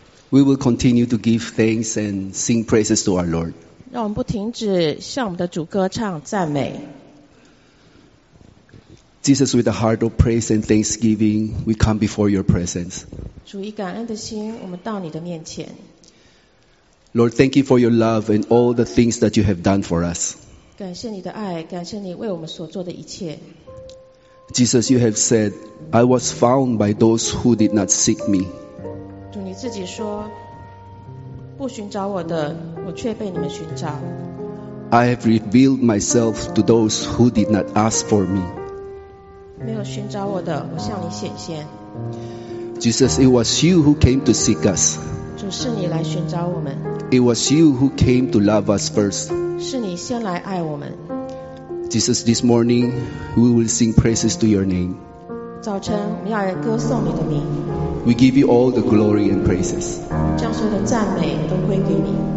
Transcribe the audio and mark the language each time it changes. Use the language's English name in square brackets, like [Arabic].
[English] We will continue to give thanks and sing praises to our Lord. [Chinese] 让我们不停止向我们的主歌唱赞美。 [English] Jesus, with a heart of praise and thanksgiving, we come before your presence. [Chinese] 主以感恩的心，我们到你的面前。 [English] Lord, thank you for your love and all the things that you have done for us. [Chinese] 感谢你的爱，感谢你为我们所做的一切。 [English] Jesus, you have said, I was found by those who did not seek me. [Chinese] 主你自己说，不寻找我的，我却被你们寻找。 [English] I have revealed myself to those who did not ask for me. [Chinese] 没有寻找我的，我向你显现。 [English] Jesus, it was you who came to seek us. [Chinese] 主是你来寻找我们。 [English] It was you who came to love us first. [Chinese] 是你先来爱我们。 [English] Jesus, this morning we will sing praises to your name. [Chinese] 早晨我们要来歌颂你的名。 [English] We give you all the glory and praises. [Chinese] 将所有的赞美都归给你。